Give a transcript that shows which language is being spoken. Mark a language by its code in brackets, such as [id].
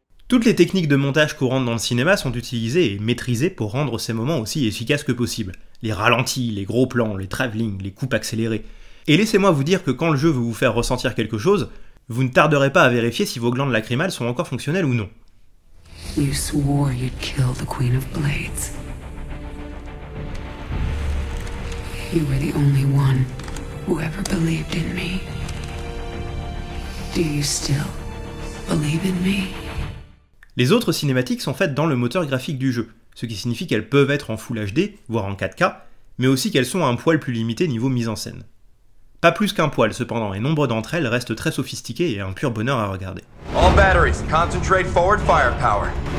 [fr] Toutes les techniques de montage courantes dans le cinéma sont utilisées et maîtrisées pour rendre ces moments aussi efficaces que possible. Les ralentis, les gros plans, les travelling, les coupes accélérées. Et laissez-moi vous dire que quand le jeu veut vous faire ressentir quelque chose, vous ne tarderez pas à vérifier si vos glandes lacrymales sont encore fonctionnelles ou non. [en] You swore you'd kill the Queen of Blades. You were the only one who ever believed in me. Do you still believe in me? [fr] Les autres cinématiques sont faites dans le moteur graphique du jeu, ce qui signifie qu'elles peuvent être en Full HD, voire en 4K, mais aussi qu'elles sont un poil plus limitées niveau mise en scène. Pas plus qu'un poil cependant, et nombre d'entre elles restent très sophistiquées et un pur bonheur à regarder. [en] All batteries, concentrate forward firepower.